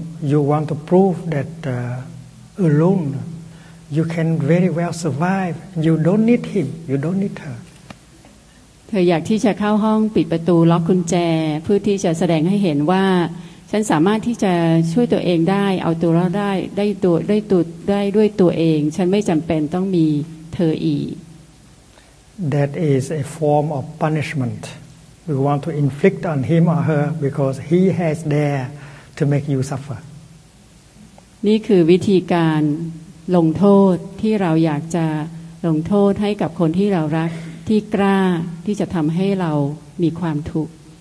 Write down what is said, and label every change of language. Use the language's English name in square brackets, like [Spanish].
[English] You want to prove that alone you can very well survive. You don't need him. You don't need her. [Thai] เธออยากที่จะเข้าห้องปิดประตูล็อกกุญแจเพื่อที่จะแสดงให้เห็นว่าฉันสามารถที่จะช่วยตัวเองได้เอาตัวรอดได้ได้ด้วยตัวเองฉันไม่จำเป็นต้องมีเธออีก [English] That is a form of punishment. we want to inflict on him or her because he has dare to make you suffer. [Thai] นี่คือวิธีการลงโทษที่เราอยากจะลงโทษให้กับคนที่เรารักที่กล้าที่จะทำให้เรามีความทุกข์